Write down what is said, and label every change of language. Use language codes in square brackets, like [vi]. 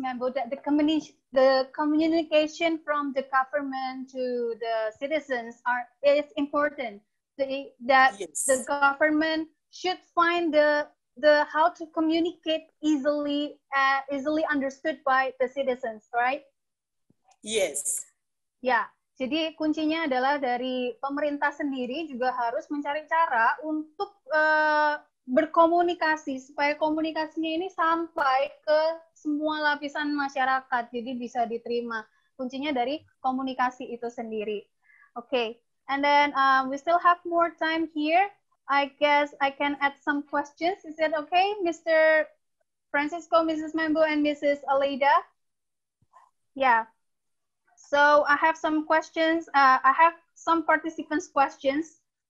[en] Maambo, that the communication from the government to the citizens is important. The government should find the how to communicate easily understood by the citizens, right? Yes. Yeah. [id] Jadi kuncinya adalah dari pemerintah sendiri juga harus mencari cara untuk berkomunikasi supaya komunikasinya ini sampai ke semua lapisan masyarakat, jadi bisa diterima. Kuncinya dari komunikasi itu sendiri. [en] Okay. And then we still have more time here. I guess I can add some questions. Is that okay, Mr. Fransisco, Mrs. Maambo, and Mrs. Aleida? Yeah. So I have some questions. I have some participants' questions.